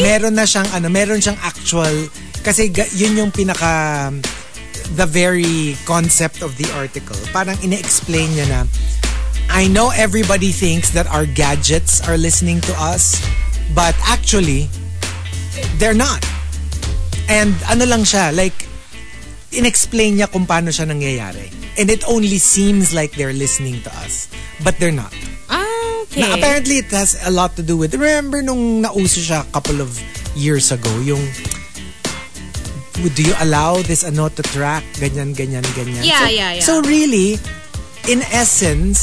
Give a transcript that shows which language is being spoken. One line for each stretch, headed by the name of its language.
Filipino: Like, meron na siyang, ano, meron siyang actual, kasi yun yung pinaka,
English: the very concept of the article.
Filipino: Parang ina-explain niya na,
English: I know everybody thinks that our gadgets are listening to us, but actually, they're not.
Filipino: And ano lang siya, like, inexplain niya kung paano siya nangyayari.
English: And it only seems like they're listening to us. But they're not. Okay. Now, apparently, it has a lot to do with, remember
Filipino: nung nauso siya
English: a couple of years ago, yung, do you allow this ano to track?
Filipino: Ganyan, ganyan, ganyan.
English: Yeah, yeah, yeah. So really, in essence,